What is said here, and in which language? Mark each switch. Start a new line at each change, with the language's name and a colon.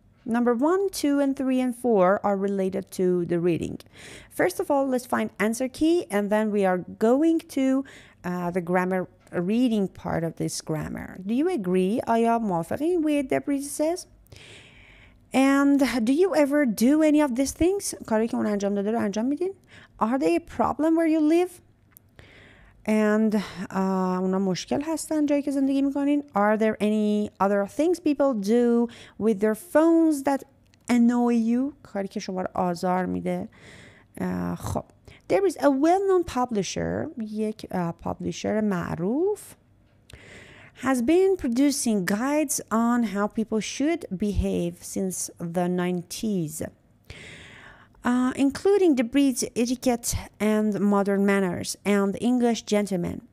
English: Number 1, 2, and 3, and 4 are related to the reading. First of all, let's find answer key, and then we are going to the grammar reading part of this grammar. Do you agree?
Persian: آیا موافقی
English: with Debris says? And do you ever do any of these things?
Persian: کاری که اون انجام داده رو انجام میدین?
English: Are they a problem where you live? And
Persian: اونا مشکل هستن جایی که زندگی میکنین.
English: Are there any other things people do with their phones that annoy you?
Persian: کاری که شما را آزار میده. خب.
English: There is a well-known publisher.
Persian: یک publisher معروف.
English: has been producing guides on how people should behave since the 90s, including the breed's etiquette and modern manners and English gentlemen.